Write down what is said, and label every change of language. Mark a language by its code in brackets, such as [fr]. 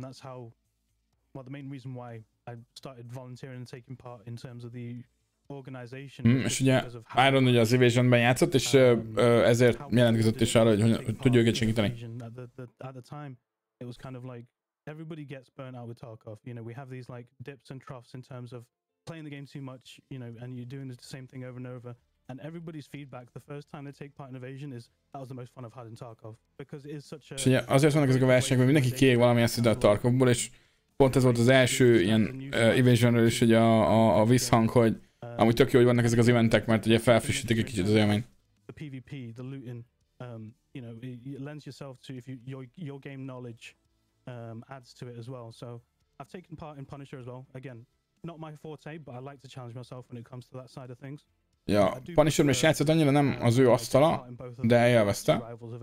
[en] That's how, well, the main reason why I started volunteering and taking part in terms of the organization. [hu] És ugye Iron ugye az Evasion-ben játszott, és ezért jelentkezett is arra, hogy tudja őket segíteni. [en] At the time, it was kind of like, everybody gets burnt out with Tarkov. You know, we have these like dips and troughs in terms of playing the game too much, you know, and you're doing the same thing over and over. And everybody's feedback the first time they take part in Evasion is that was the most fun I've had in Tarkov because it is such a. [hu] És ugye azért vannak ezek a versenyek, mert mindenki kiég valami ezt ide a Tarkovból, és pont ez volt az első ilyen Evasionről is, hogy a visszhang, hogy amúgy tök jó, hogy vannak ezek az eventek, mert ugye felfrissítik egy kicsit az élmény. [en] The PvP, the looting, you know, it lends yourself to if you, your game knowledge adds to it as well. So I've taken part in Punisher as well. Again, not my forte, but I like to challenge myself when it comes to that side of things. [hu] Ja, Punisher-ben is játszott, annyira nem az ő asztala, de elvezte.